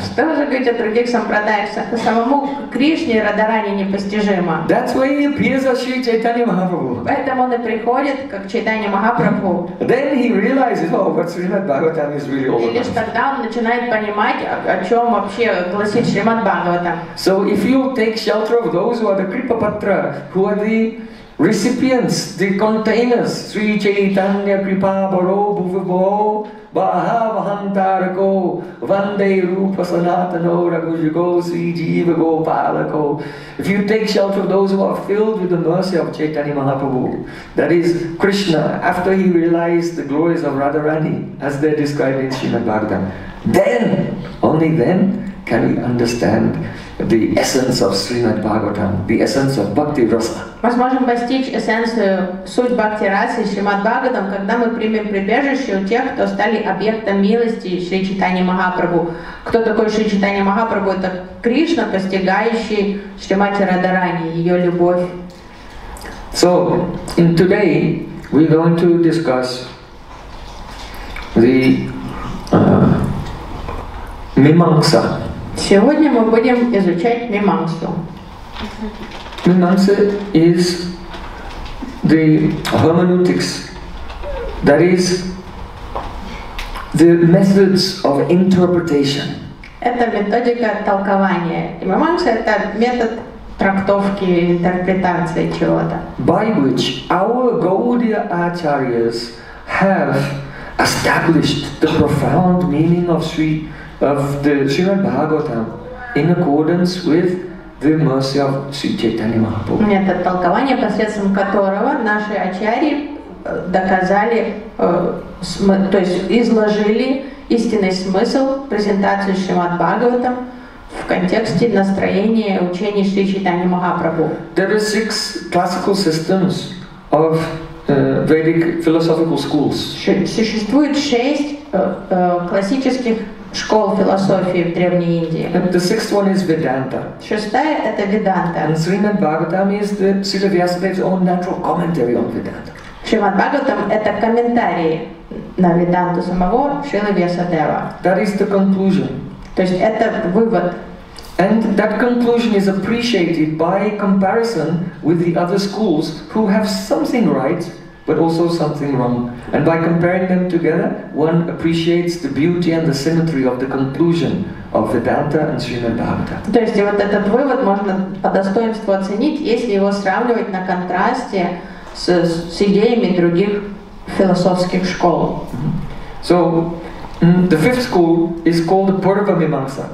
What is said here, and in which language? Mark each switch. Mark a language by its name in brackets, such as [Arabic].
[Russian] Что же говорить о других сампрадаях, самому Кришне Радхарани непостижимо. [English] That's why he appears as Sri Chaitanya Mahaprabhu. [Russian] Поэтому он и приходит как Чайтанья Махапрабху. [English] Then he realizes, oh, what Srimad Bhagavatam is really all about. [Russian] И лишь тогда он начинает понимать, о чем вообще гласит Шримад Бхагаватам. [English] So if you take shelter of those who are the Kripa Patra, who are the recipients, the containers, [Sanskrit] Sri Chaitanya Kripa Baro Bhuvibho Bahavahantarako Vande Rupa Sanatano Raghujago Sri Jiva Gopalako. [English] If you take shelter of those who are filled with the mercy of Chaitanya Mahaprabhu, that is Krishna, after he realized the glories of Radharani, as they're described in Srimad Bhagavatam, then, only then, can we understand the essence of Srimad Bhagavatam, the essence of Bhakti Rasa. [Russian] Мы сможем постичь эссенцию суть Бхакти Расы и Шримад Бхагаватам, когда мы примем прибежище у тех, кто стали объектом милости Шри Чайтаньи Махапрабху. Кто такой Шри Чайтанья Махапрабху? Это Кришна, постигающий Шримати Радарани, ее любовь. [English] So, in today we're going to discuss the Mimamsa. [Russian] Сегодня мы будем изучать Мимамсу. [English] Mimamsa is the hermeneutics, that is the methods of interpretation. [Russian] Это методика толкования. Мимамса — это метод трактовки, интерпретации чего-то. [English] By which our Gaudiya Acharyas have established the profound meaning of the Srimad Bhagavatam in accordance with the mercy of Sri Chaitanya Mahaprabhu. [Russian] Это толкование, посредством которого наши ачарьи доказали, то есть изложили истинный смысл презентации Шримад Бхагаватам в контексте настроения учения Шри Чайтаньи Махапрабху. [English] There are six classical systems of Vedic philosophical schools. [Russian] Существует шесть классических школ философии в Древней Индии. [English] And the sixth one is Vedanta. [Russian] Шестая — это Веданта. [English] And Srimad Bhagavatam is the Srila Vyasadeva's own natural commentary on Vedanta. [Russian] Шримад Бхагаватам — это комментарий на Веданту самого Шрилы Вьясадева. [English] That is the conclusion. [Russian] То есть это вывод. [English] And that conclusion is appreciated by comparison with the other schools who have something right, but also something wrong. And by comparing them together, one appreciates the beauty and the symmetry of the conclusion of Vedanta and Srimad Bhagavatam. [Russian] То есть вот этот вывод можно по достоинству оценить, если его сравнивать на контрасте с идеями других философских школ. [English] So, the fifth school is called the Purva Mimamsa.